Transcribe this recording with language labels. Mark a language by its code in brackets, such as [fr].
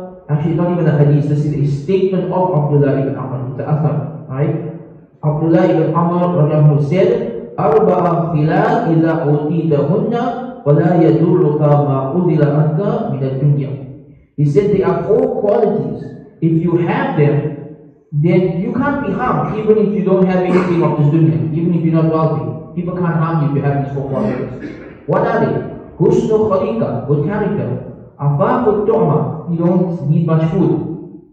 [en] Actually not even a hadith, this is a statement of Abdullah ibn Amr, the author, right? Abdullah ibn Amr radiallahu anhu said, [ar] أَرْبَعَ خِلَاءِ إِذَا أُوْتِيْتَهُنَّ وَلَا يَدُرُّكَ مَا أُذِلَ عَنْكَ مِنَ الدُّنْيَا. [en] He said there are four qualities. If you have them, then you can't be harmed, even if you don't have anything of this dunya, even if you're not wealthy. People can't harm you if you have these four qualities. What are they? Husnu khaliqa, good character. Afafu tu'ma, you don't need much food.